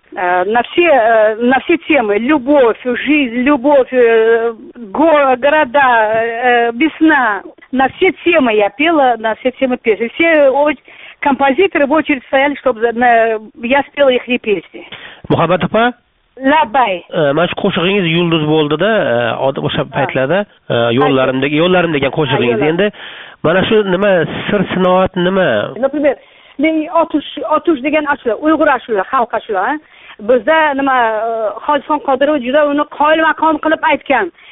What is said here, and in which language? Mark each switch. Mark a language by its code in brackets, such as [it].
[ru] На все темы: любовь, жизнь, любовь, города, весна. На все темы я пела, на все темы песни. Все композиторы в очередь стояли, чтобы я спела их песни. [uz] Мухаммад апа? Labay. Mana shu qo'shig'ingiz yulduz bo'ldi-da, o'sha paytlarda yo'llarim degan qo'shig'ingiz. Endi mana shu nima sir sinoat nima? Например, otush degan ashula, uyg'ur ashula, xalq ashula. Bizda nima Hojixon Qodirov juda uni qoyil maqom qilib aytgan.